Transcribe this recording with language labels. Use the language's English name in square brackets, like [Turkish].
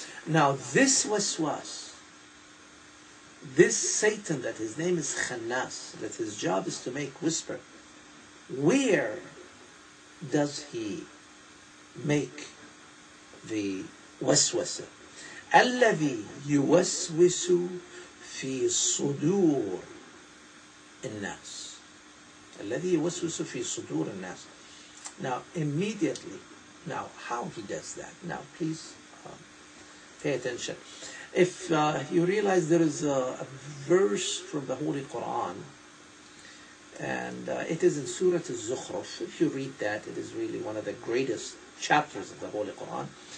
[English] Now this waswas, this Satan, that his name is Khannas, that his job is to make whisper, where does he make the waswasa? [Arabic] الذي يوسوس في صدور الناس. الذي يوسوس في صدور الناس. [English] Now immediately, now how he does that? Now please pay attention. If you realize there is a verse from the Holy Quran, and it is in Surah Al-Zukhruf. If you read that, it is really one of the greatest chapters of the Holy Quran.